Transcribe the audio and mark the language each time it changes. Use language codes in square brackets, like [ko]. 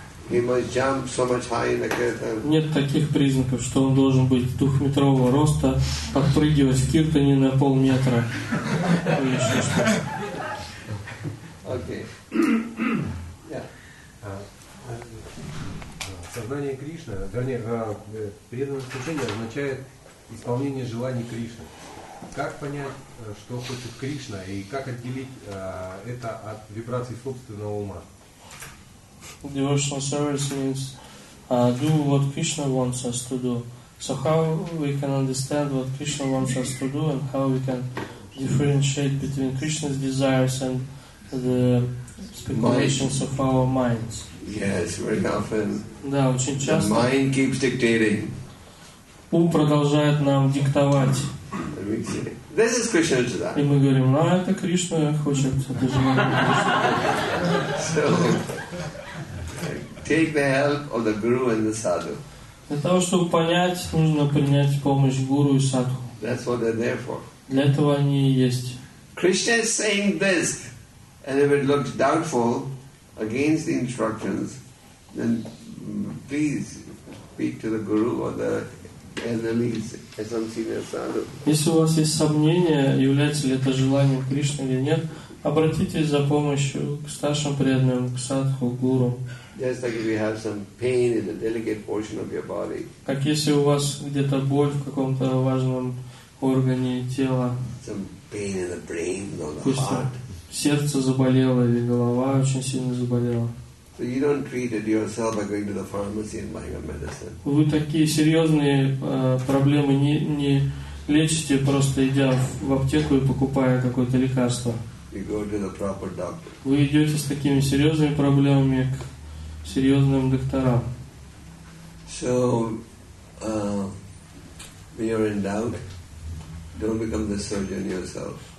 [en] He must jump so much high in the kirtan. [ru] Нет таких признаков, что он должен быть 2-метрового роста, подпрыгивать в киртане на 0.5 метра. [en] Okay. Yeah. [ru] Сознание Кришны, вернее, преданное служение означает исполнение желаний Кришны. Как понять, что хочет Кришна, и как отделить это от вибраций собственного ума? [en] Devotional service means do what Krishna wants us to do. So how we can understand what Krishna wants us to do and how we can differentiate between Krishna's desires and the speculations of our minds. Yes, very often. [ru] Да, очень часто. [en] The mind keeps dictating. [ru] Ум продолжает нам диктовать. [en] This is Krishna's desire. [ru] И мы говорим, ну это Кришна хочет, это желание. [en] So, take the help of the guru and the sadhu. [ru] Для того, чтобы понять, нужно принять помощь гуру и садху. [en] That's what they're there for. [ru] Для этого они и есть. [en] Krishna is saying this, and if it looks doubtful against the instructions, then please speak to the guru or the enemies as some senior sadhu. [ru] Если у вас есть сомнения, является ли это желание Кришны или нет, обратитесь за помощью к старшим преданным, к садху, к гуру. [en] Just like if you have some pain in the delicate portion of your body. [ru] Как если у вас где-то боль в каком-то важном органе тела. [en] Some pain in the brain or the heart. [ru] Сердце заболело или голова очень сильно заболела. [en] So you don't treat it yourself by going to the pharmacy and buying a medicine. [ru] Вы такие серьезные проблемы не лечите просто идя в аптеку и покупая какое-то лекарство. [en] You go to the proper doctor. [ru] Вы идете с такими серьезными проблемами к серьезным докторам. [en] So, when you're in doubt, don't become the surgeon yourself.